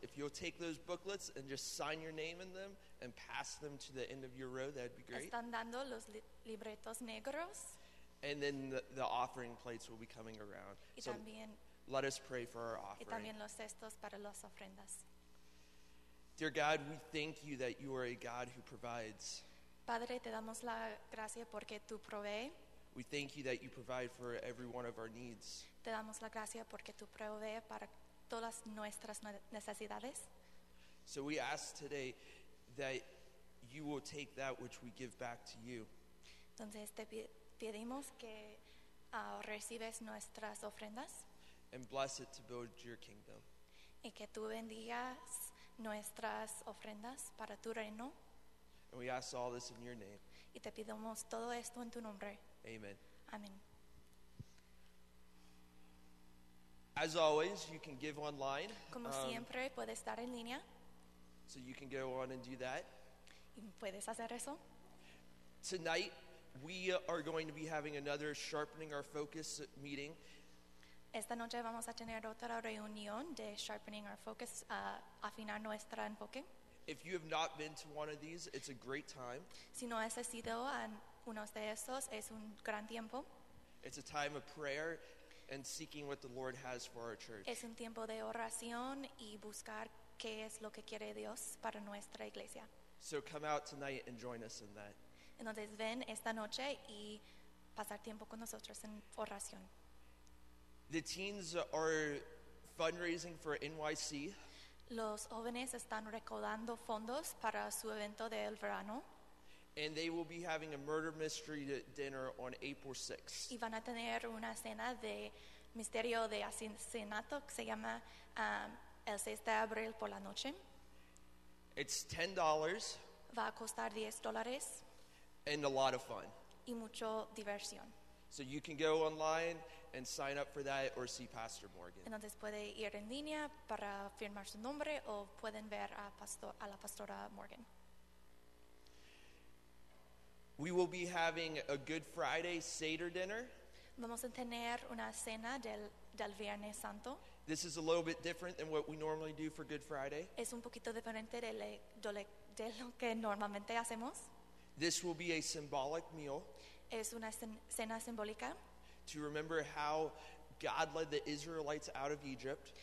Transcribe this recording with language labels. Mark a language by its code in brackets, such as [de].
[en] If you'll take those booklets and just sign your name in them and pass them to the end of your row, that'd be great. [es] Están dando los libretos negros. [en] And then the offering plates will be coming around. [es] Y también, [en] so let us pray for our offering. [es] Y también los cestos para las ofrendas. [en] Dear God, we thank you that you are a God who provides. [es] Padre, te damos la gracia porque tú provee. [en] We thank you that you provide for every one of our needs. [es] Te damos la gracia porque tú provees para todas nuestras necesidades. [en] So we ask today that you will take that which we give back to you. [es] Entonces te pedimos que recibes nuestras ofrendas. [en] And bless it to build your kingdom. [es] Y que tú bendigas nuestras ofrendas para tu reino. [en] And we ask all this in your name. [es] Y te pedimos todo esto en tu nombre. [en] Amen. [es] Amen. [en] As always, you can give online. [es] Como siempre, puedes dar en línea. [en] So you can go on and do that. [es] Y puedes hacer eso. [en] Tonight, we are going to be having another Sharpening Our Focus meeting. [es] Esta noche vamos a tener otra reunión de Sharpening Our Focus, afinar nuestro enfoque. [en] If you have not been to one of these, it's a great time. [es] Si no has sido a uno de estos, es un gran tiempo. [en] It's a time of prayer and seeking what the Lord has for our church. [es] Es un tiempo de oración y buscar qué es lo que quiere Dios para nuestra iglesia. [en] So come out tonight and join us in that. [es] Entonces ven esta noche y pasar tiempo con nosotros en oración. [en] The teens are fundraising for NYC. [es] Los jóvenes están recaudando fondos para su evento del verano. [en] And they will be having a murder mystery dinner on April 6th. [es] Y van a tener una cena de misterio de asesinato que se llama el 6 de abril por la noche. [en] It's $10. [es] Va a costar $10. [en] And a lot of fun. [es] Y mucho diversión. [en] So you can go online and sign up for that or see Pastor Morgan. [es] Entonces puede ir en línea para firmar su nombre o pueden ver a pastor, a la pastora Morgan. [en] We will be having a Good Friday Seder dinner. [es] Vamos a tener una cena del, del Viernes Santo. [en] This is a little bit different than what we normally do for Good Friday. [es] Es un poquito diferente de lo que normalmente hacemos. [en] This will be a symbolic meal. [es] Es una cena simbólica. [en] To remember how God led the Israelites out of Egypt.